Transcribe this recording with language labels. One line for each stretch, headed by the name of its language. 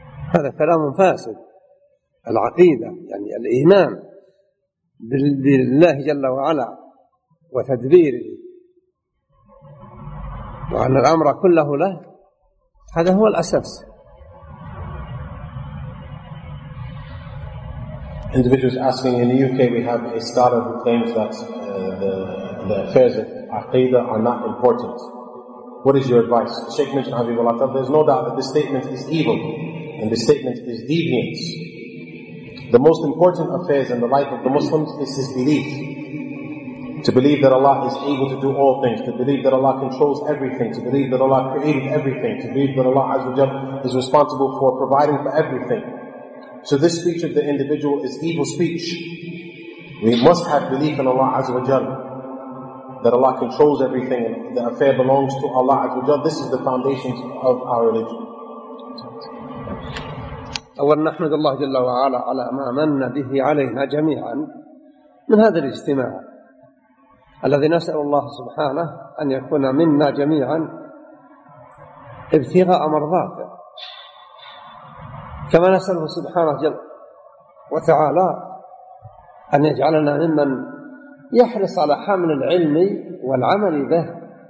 Arabic: هذا كلام فاسد. العقيدة يعني الإيمان بالله جل وعلا وتدبيره وأن الأمر كله له، هذا هو الأساس.
English: Individuals asking, in the UK we have a scholar who claims that the affairs of Aqidah are not important. What is your advice? Shaykh mentioned, Habibullah Ta'ala, there's no doubt that this statement is evil and this statement is deviance. The most important affairs in the life of the Muslims is his belief. To believe that Allah is able to do all things, to believe that Allah controls everything, to believe that Allah created everything, to believe that Allah Azza wa Jalla is responsible for providing for everything. So this speech of the individual is evil speech. We must have belief in Allah Azza wa Jalla, that Allah controls everything and the affair belongs to Allah Azza wa Jalla. This is the foundation of our religion.
Arabic: أولا نحمد الله جل وعلا على ما من به علينا جميعا من هذا الاجتماع الذي نسأل الله سبحانه أن يكون منا جميعا ابتغاء مرضاته كما نسأله سبحانه جل وتعالى أن يجعلنا ممن يحرص على حمل العلم والعمل به